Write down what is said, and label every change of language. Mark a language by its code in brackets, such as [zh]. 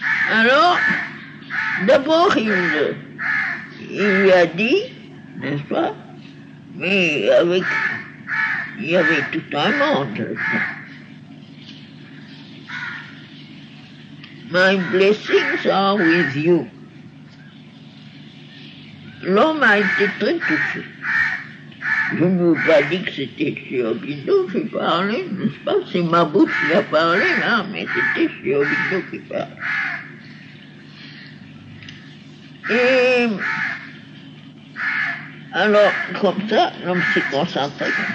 [fr] Alors, d'abord, il lui a dit, n'est-ce pas, mais avec, il y avait tout un monde. [en] My blessings are with you. [fr] L'homme a été très touché. Je ne vous ai pas dit que c'était Chiobino qui parlait, n'est-ce pas? C'est ma bouche qui a parlé, là, hein, mais c'était Chiobino qui parlait. Et alors, comme ça, l'homme s'est concentré.